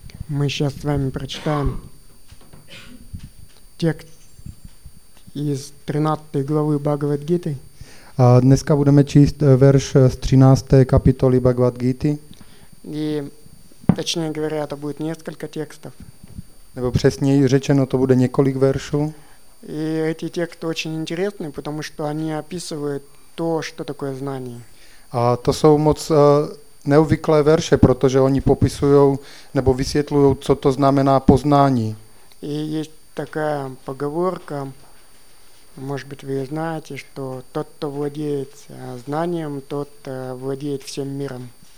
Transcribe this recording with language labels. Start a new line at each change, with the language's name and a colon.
Russian: My сейчас с вами прочитаем текст из 13 главы Бхагавад-гиты.
Czech: Dneska budeme číst verš z 13. kapitoly Bhagavad-gity.
Russian: И, точнее говоря, это будет несколько текстов.
Czech: Nebo přesněji řečeno, to bude několik veršů.
Russian: И эти тексты очень интересны, потому что они описывают то, что такое знание.
Czech: A to jsou moc neobvyklé verše, protože oni popisují nebo vysvětlují, co to znamená poznání.
Russian: И есть такая поговорка, может быть, вы знаете, что тот, кто владеет знанием, тот владеет всем миром.